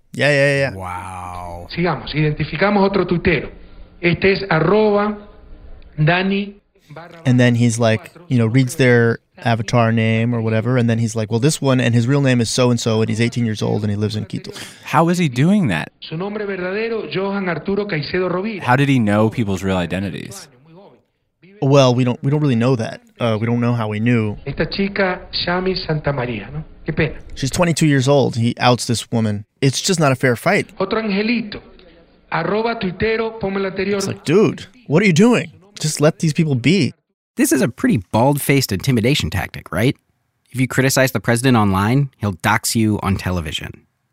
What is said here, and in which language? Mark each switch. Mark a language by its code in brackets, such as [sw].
[en] Wow. [es] Sigamos, identificamos otro tuitero. Este es arroba Dani. [en] And then he's like, you know, reads their avatar name or whatever. And then he's like, well, this one, and his real name is so-and-so, and he's 18 years old, and he lives in Quito. How is he doing that? [es] Su nombre verdadero, Johan Arturo Caicedo Rovira. [en] How did he know people's real identities? Well, we don't really know that. We don't know how he knew. [es] Esta chica, Shami Santa Maria, ¿no? Qué pena. [en] She's 22 years old. He outs this woman. It's just not a fair fight. [es] Otro angelito. Arroba tuitero, ponme el anterior. [en] It's like, dude, what are you doing? Just let these people be. This is a pretty bald-faced intimidation tactic, right? If you criticize the president online, he'll dox you on television.